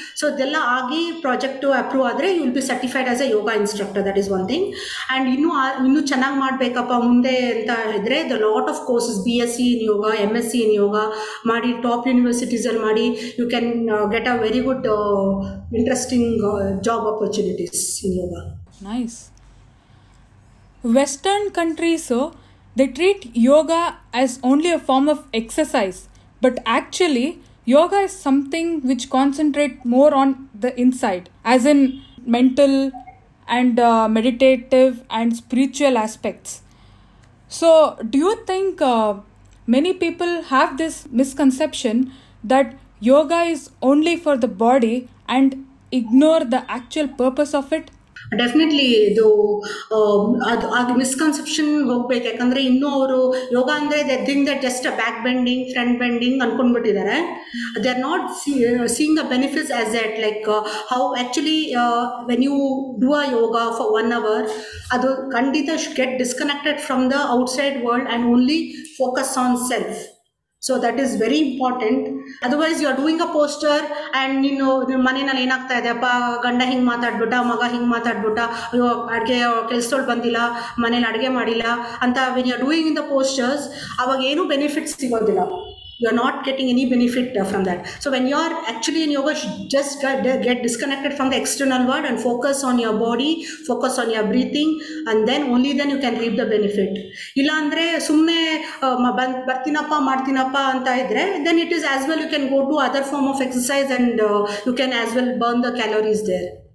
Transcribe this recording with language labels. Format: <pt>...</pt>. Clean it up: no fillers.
<en>so</en> <kn>ಇದೆಲ್ಲ ಆಗಿ project approve ಆದರೆ</kn> <en>You will be certified as a yoga instructor. That is one thing. And</en> <kn>ಇನ್ನೂ ಚೆನ್ನಾಗಿ ಮಾಡಬೇಕಪ್ಪ ಮುಂದೆ ಅಂತ ಇದ್ದರೆ,</kn> <en>The lot of courses BSc in yoga, MSc in yoga ಮಾಡಿ, top ಯೂನಿವರ್ಸಿಟೀಸಲ್ಲಿ ಮಾಡಿ, you can get a very good interesting job opportunities in yoga. Nice. Western countries, so they treat yoga as only a form of exercise, but actually yoga is something which concentrate more on the inside, as in mental and meditative and spiritual aspects. So do you think many people have this misconception that yoga is only for the body and ignore the actual purpose of it?</en> <kn>Definitely ಇದು ಅದು ಅದು misconception ಹೋಗ್ಬೇಕು. ಯಾಕಂದ್ರೆ ಇನ್ನೂ ಅವರು ಯೋಗ ಅಂದರೆ</kn> <en>they think that just a back bending, front bending</en> <kn>ಅಂದ್ಕೊಂಡ್ಬಿಟ್ಟಿದ್ದಾರೆ.</kn> <en>they are not seeing a benefits as that, like how actually when you do a yoga for 1 hour,</en> <kn>ಅದು ಖಂಡಿತ</kn> <en>Get disconnected from the outside world and only focus on self. So that is very important. Otherwise, you are doing a poster and you know,</en> <kn>ಮನೆನಲ್ಲಿ ಏನಾಗ್ತಾ ಇದೆ ಅಪ್ಪ ಗಂಡ ಹಿಂಗೆ ಮಾತಾಡ್ಬಿಟ್ಟ, ಮಗ ಹಿಂಗೆ ಮಾತಾಡ್ಬಿಟ್ಟ, ಅಯ್ಯೋ ಅಡುಗೆ ಕೆಲಸದೊಳ್ ಬಂದಿಲ್ಲ, ಮನೇಲಿ ಅಡುಗೆ ಮಾಡಿಲ್ಲ ಅಂತ</kn> <en>when you are doing in the posters,</en> <kn>ಅವಾಗ ಏನು ಬೆನಿಫಿಟ್ಸ್ ಸಿಗೋದಿಲ್ಲ.</kn> <en>You are not getting any benefit from that. So when you are actually in yoga, just get disconnected from the external world and focus on your body, focus on your breathing, and then you can reap the benefit.</en> <kn>Illa andre summe bartinappa martinappa anta idre,</kn> <en>then it is as well you can go to other form of exercise and you can as well burn the calories there.</en>